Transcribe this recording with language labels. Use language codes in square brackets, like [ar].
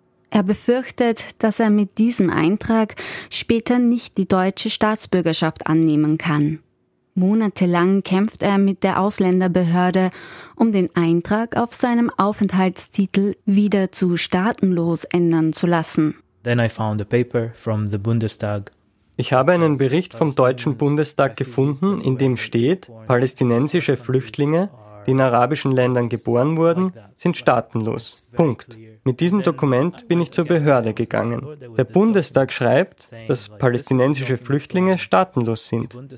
[de] Er befürchtet, dass er mit diesem Eintrag später nicht die deutsche Staatsbürgerschaft annehmen kann. Monatelang kämpft er mit der Ausländerbehörde, um den Eintrag auf seinem Aufenthaltstitel wieder zu staatenlos ändern zu lassen. [en] Then I found a paper from the Bundestag. [de] Ich habe einen Bericht vom Deutschen Bundestag gefunden, in dem steht, palästinensische Flüchtlinge, die in arabischen Ländern geboren wurden, sind staatenlos. Punkt. Mit diesem Dokument bin ich zur Behörde gegangen. Der Bundestag schreibt, dass palästinensische Flüchtlinge staatenlos sind.